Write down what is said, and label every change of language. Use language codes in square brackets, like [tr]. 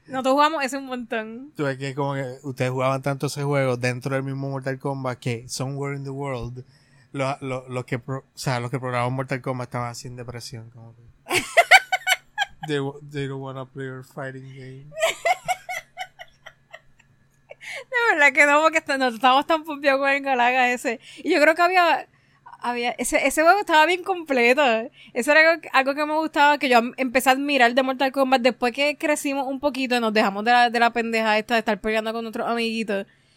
[es] Nosotros jugamos ese un montón. Tú ves que como que ustedes jugaban tanto ese juego dentro del mismo Mortal Kombat que [en] somewhere in the world [es] los que programaban Mortal Kombat estaban así en depresión. Como que. [en] they don't want to play a fighting game. [es] De verdad que no, porque nosotros estábamos tan pompeados con el Galaga ese. Y yo creo que había ese juego estaba bien completo. Eso era algo que me gustaba, que yo empecé a admirar de Mortal Kombat después que crecimos un poquito y nos dejamos de la pendeja esta de estar peleando con nuestros amiguitos.